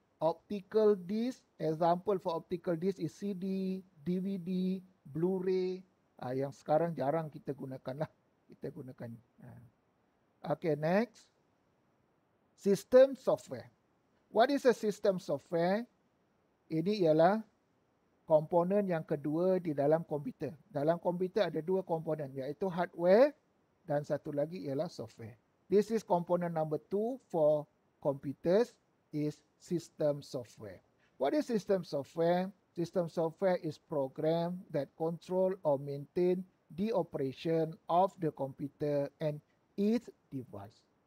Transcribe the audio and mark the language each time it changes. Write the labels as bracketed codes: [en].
[en] Optical disk, example for optical disk is CD, DVD, Blu-ray, [ms] yang sekarang jarang kita gunakan lah. Kita gunakan. [en] Okay, next. System software. What is a system software? [ms] Ini ialah komponen yang kedua di dalam komputer. Dalam komputer ada dua komponen, iaitu hardware dan satu lagi ialah software. [en] This is component number two for computers, is system software. What is system software? System software is program that control or maintain the operation of the computer and its device.